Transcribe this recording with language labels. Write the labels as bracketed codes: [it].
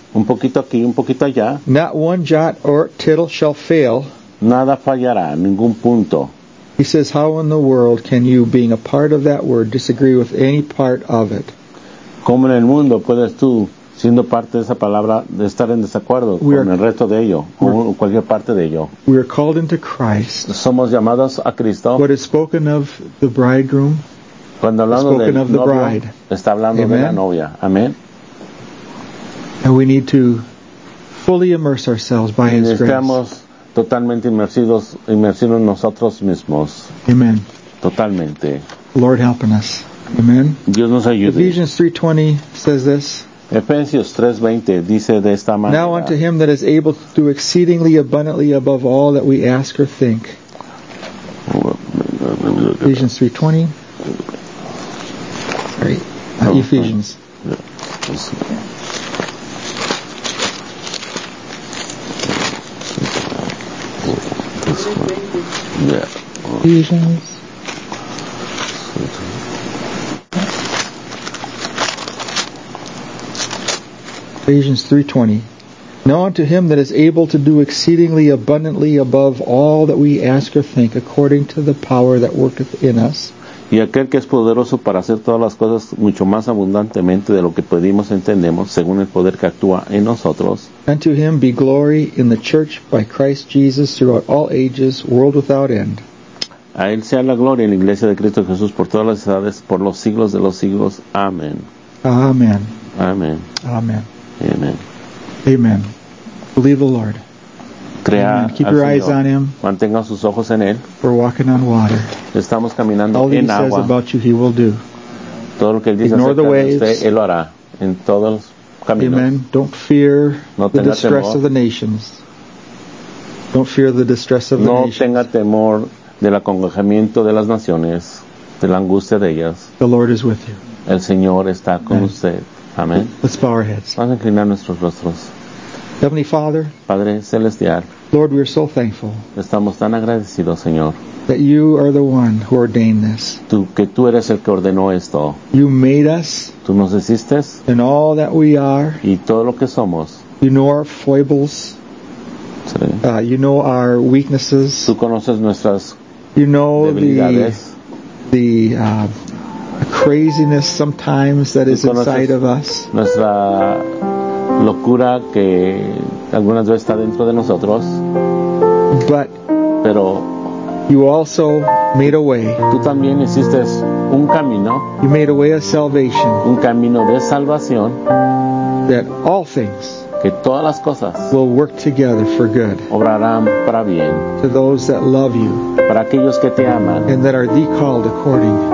[es] Un poquito aquí, un poquito allá. [en] Not one jot or tittle shall fail. [es] Nada fallará, ningún punto. [en] He says, how in the world can you, being a part of that word, disagree with any part of it? [es] ¿Cómo en el mundo puedes tú, siendo parte de esa palabra, estar en desacuerdo con el resto de ello, o cualquier parte de ello? [en] We are called into Christ. [es] Somos llamados a Cristo. [en] What is spoken of the bridegroom, [es] cuando hablando del novio, está hablando de la novia. Amén. [en] And we need to fully immerse ourselves by His grace. [es] Estamos totalmente inmersidos nosotros mismos. [en] Amen. [es] Totalmente. [en] Lord helping us. Amen. [es] Dios nos ayude. [en] Ephesians 3:20 says this. [es] Efesios 3:20 dice de esta manera. [en] Now unto Him that is able to do exceedingly abundantly above all that we ask or think. Ephesians 3:20. Right. Ephesians. Ephesians 3:20. Now unto Him that is able to do exceedingly abundantly above all that we ask or think, according to the power that worketh in us. [es] Y aquel que es poderoso para hacer todas las cosas mucho más abundantemente de lo que pedimos entendemos, según el poder que actúa en nosotros. [en] Unto Him be glory in the church by Christ Jesus throughout all ages, world without end. [es] A Él sea la gloria en la iglesia de Cristo Jesús por todas las edades, por los siglos de los siglos. Amén. Amén. Amén. Amén. Amén. [en] Amén. Believe the Lord. [es] Crea [en] Amen. Keep your [es] Señor. [en] Eyes on Him. [es] Mantenga sus ojos en Él. [en] We're walking on water. [es] Estamos caminando [en] All [es] en agua. [en] All He says about you, He will do. [es] Todo lo que Él dice [en] Ignore [es] acerca [en] the waves. [es] De usted, Él lo hará. En todos los caminos. [en] Amen. Don't fear [es] no [en] the distress [es] temor. [en] Of the nations. Don't fear the distress of [es] no [en] the nations. [es] No tenga temor del acongojamiento de las naciones, de la angustia de ellas. [en] The Lord is with you. [es] El Señor está con Amen. Usted. Amén. [en] Let's bow our heads. [es] Vamos a inclinar nuestros rostros. [en] Heavenly Father, [es] Padre Celestial, [en] Lord, we are so thankful. [es] Estamos tan agradecidos, Señor. [en] That you are the one who ordained this. [es] Tú, que tú eres el que ordenó esto. [en] You made us. [es] Tú nos hiciste. [en] And all that we are. [es] Y todo lo que somos. [en] You know our foibles. [es] Sí. [en] You know our weaknesses. [es] Tú conoces nuestras [en] You know [es] debilidades. [en] The craziness sometimes that is inside of us. [es] Nuestra locura que algunas veces está dentro de nosotros. [en] But [es] pero [en] you also made a way. [es] Tú también hiciste un camino. [en] You made a way of salvation. [es] Un camino de salvación. [en] That all things [es] que todas las cosas [en] will work together for good. [es] Obrarán para bien. [en] To those that love you. [es] Para aquellos que te aman. [en] And that are thee called according.